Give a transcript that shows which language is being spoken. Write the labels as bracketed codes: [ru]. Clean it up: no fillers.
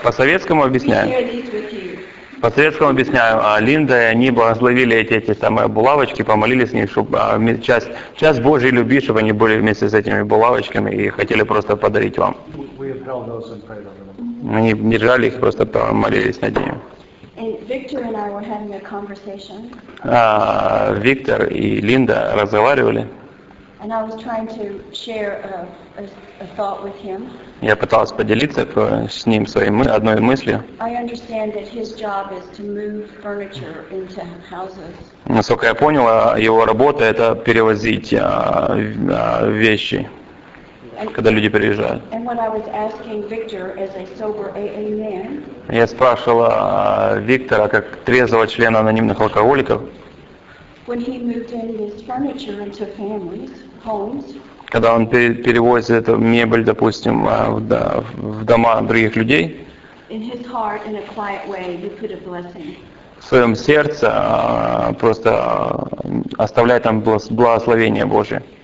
[ru] По-советскому объясняем. По-советскому объясняю, а Линда и они благословили эти самые булавочки, помолились с ними, чтобы часть Божьей любви, чтобы они были вместе с этими булавочками и хотели просто подарить вам. Они держали их, просто помолились над ними. Виктор и Линда разговаривали. [en] And I was trying to share a thought with him. [ru] Я пыталась поделиться с ним своей одной мыслью. [en] I understand that his job is to move furniture into houses. [ru] Насколько я поняла, его работа это перевозить вещи, когда люди приезжают. [en] And when I was asking Victor as a sober AA man. [ru] Я спрашивала Виктора как трезвого члена анонимных алкоголиков. [en] When he moved in his furniture into families. [ru] Когда он перевозит эту мебель, допустим, в дома других людей, в своем сердце просто оставляет там благословение Божие.